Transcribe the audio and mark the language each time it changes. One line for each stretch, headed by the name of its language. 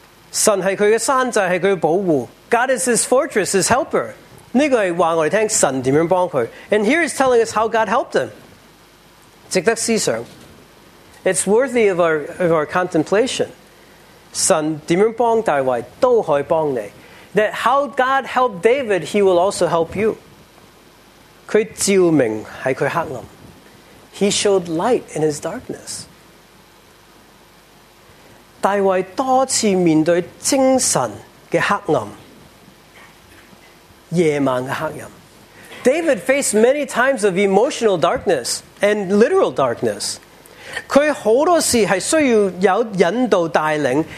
Chinese: 神是他的山寨，是他的保护。
English: God is his fortress, his helper.
Chinese: 这个是告诉我们神怎样帮他。
English: And here is telling us how God helped him.
Chinese: 值得思想。
English: It's worthy of our contemplation.
Chinese: 神怎样帮大卫都可以帮你。
English: That how God helped David, he will also help you.
Chinese: 他照明在他黑暗。
English: He showed light in his darkness.
Chinese: 大卫多次面对精神的黑暗。夜晚的黑暗.
English: David faced many times of emotional darkness and literal darkness.
Chinese: 他很多时是需要有引导带领,